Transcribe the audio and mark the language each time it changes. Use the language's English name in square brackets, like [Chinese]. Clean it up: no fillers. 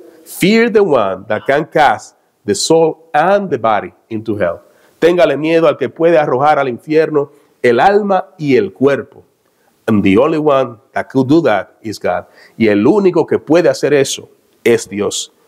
[English] Fear the one that can cast the soul and the body into hell. [Spanish] Téngale miedo al que puede arrojar al infierno el alma y el cuerpo. [English] And the only one that could do that is God. [Spanish] Y el único que puede hacer eso es Dios.